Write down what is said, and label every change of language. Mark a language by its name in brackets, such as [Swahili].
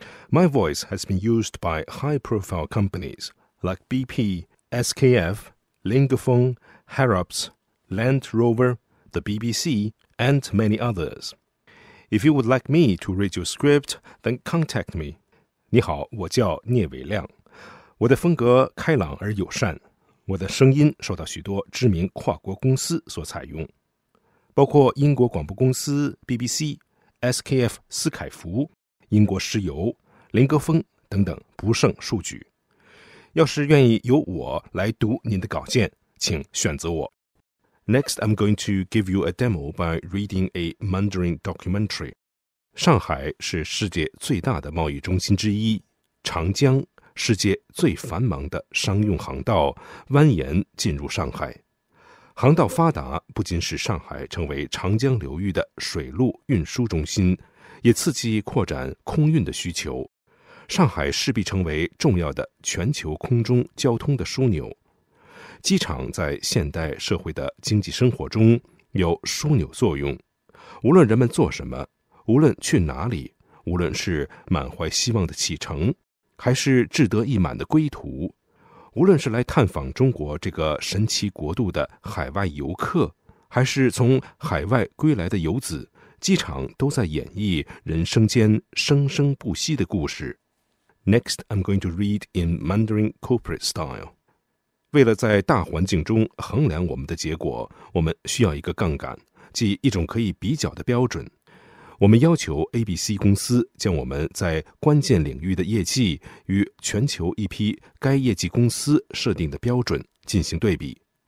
[English] My voice has been used by high-profile companies like BP, SKF, Lingofeng, Harrods, Land Rover, the BBC, and many others. If you would like me to read your script, then contact me. [Chinese] 你好，我叫聂伟亮。我的风格开朗而友善。我的声音受到许多知名跨国公司所采用。包括英国广播公司 BBC、SKF 斯凯孚、英国石油、林格峰等等不胜数举。要是愿意由我来读您的稿件，请选择我。 [English] Next, I'm going to give you a demo by reading a Mandarin documentary. [Chinese] 上海是世界最大的贸易中心之一，长江世界最繁忙的商用航道蜿蜒进入上海。航道发达不仅使上海成为长江流域的水路运输中心，也刺激扩展空运的需求。上海势必成为重要的全球空中交通的枢纽。机场在现代社会的经济生活中有枢纽作用。无论人们做什么，无论去哪里，无论是满怀希望的启程，还是志得意满的归途，无论是来探访中国这个神奇国度的海外游客，还是从海外归来的游子，机场都在演绎人生间生生不息的故事。 [English] Next, I'm going to read in Mandarin corporate style. [Chinese] 为了在大环境中衡量我们的结果，我们需要一个杠杆，即一种可以比较的标准。我们要求 ABC 公司将我们在关键领域的业绩与全球一批该业绩公司设定的标准进行对比。